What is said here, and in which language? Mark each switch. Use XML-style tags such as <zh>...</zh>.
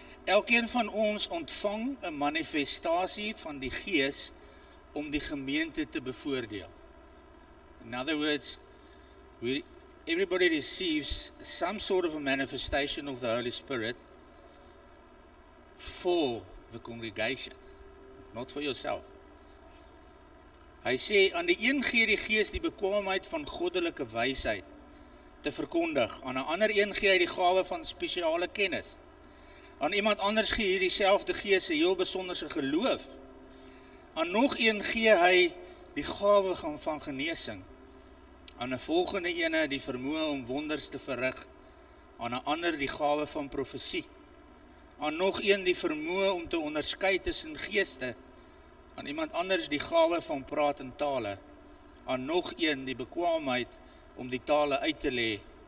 <af>Elkeen van ons ontvang 'n manifestasie van die Gees om die gemeente te bevoordeel.</af> <en>In other words, everybody receives some sort of a manifestation of the Holy Spirit for the congregation, not for yourself.</en> <af>Hy sê, aan die een gee die Gees die bekwaamheid van goddelike wysheid te verkondig, aan 'n ander een gee hy die gawe van spesiale kennis. Aan iemand anders gee hier dieselfde Gees 'n heel besonderse geloof. Aan nog een gee hy die gawe van genesing. Aan 'n volgende ene die vermoë om wonders te verrig. Aan 'n ander die gawe van profesie. Aan nog een die vermoë om te onderskei tussen geeste. Aan iemand anders die gawe van praat in tale. Aan nog een die bekwaamheid om die tale uit te lê.</af>